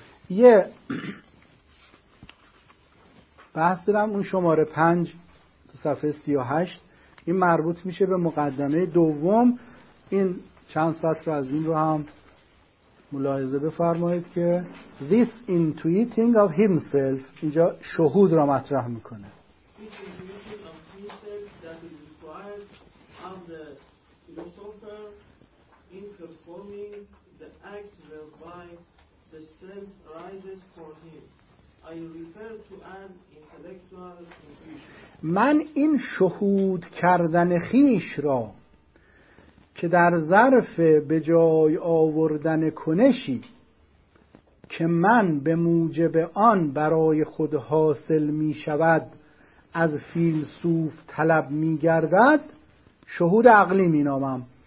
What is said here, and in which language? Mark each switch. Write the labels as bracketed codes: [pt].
[fa] یه بحث دارم اون شماره 5 تو صفحه 38، این مربوط میشه به مقدمه دوم. این چند سطر رو از این رو هم ملاحظه بفرمایید که [en] This intuiting of himself، [fa] اینجا شهود را مطرح میکنه. [en] This intuiting of himself that is required of the philosopher in performing the act whereby the self rises for him I refer to as intellectual intuition. [fa] من این شهود کردن خیش را که در ظرف به جای آوردن کنشی که من به موجب آن برای خود حاصل می شود از فیلسوف طلب می گردد، شهود عقلی می نامم.